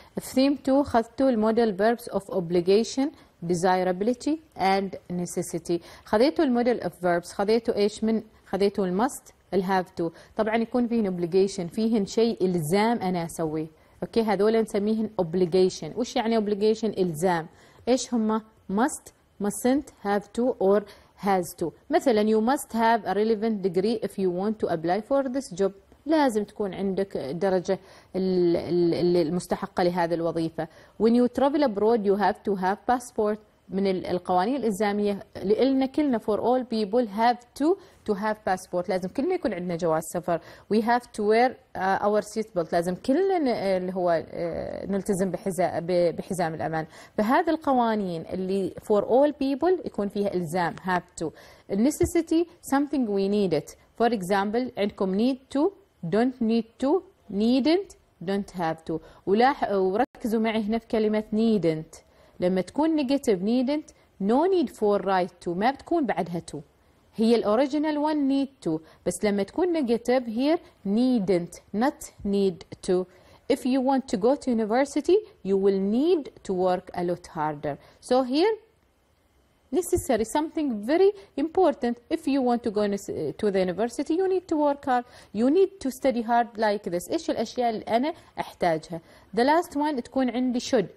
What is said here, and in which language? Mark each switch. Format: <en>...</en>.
<en>في theme 2 خذتوا المودل verbs of obligation desirability and necessity.</en> <ar>خذيتوا المودل of verbs، خذيتوا ايش من، خذيتوا المست الهاف تو، طبعا يكون فيهن obligation، فيهن شيء الزام انا اسويه. اوكي هذول نسميهن obligation. وش يعني obligation؟ الزام.</ar> <en>ايش هما؟ must, mustn't, have to or has to. مثلا you must have a relevant degree if you want to apply for this job.</en> <ar>لازم تكون عندك درجة المستحقة لهذه الوظيفة.</ar> <en>When you travel abroad you have to have passport. من القوانين الإلزامية لإلنا كلنا for all people have to have passport.</en> <ar>لازم كلنا يكون عندنا جواز سفر.</ar> <en>We have to wear our seat belt.</en> <ar>لازم كلنا اللي هو نلتزم بحزام الأمان. فهذه القوانين اللي for all people يكون فيها إلزام have to.</ar> <en>Necessity something we need it. For example عندكم need to, don't need to, needn't, don't have to.</en> <ar>وركزوا معي هنا في كلمة needn't.</ar> <en>لما تكون negative needn't, no need for right to. ما بتكون بعدها to. هي الأوريجينال one need to. بس لما تكون negative here needn't, not need to. If you want to go to university, you will need to work a lot harder. So here necessary something very important. If you want to go to the university, you need to work hard. You need to study hard like this.</en> <ar>إيش الأشياء اللي أنا أحتاجها؟ The last one تكون عندي should.</ar>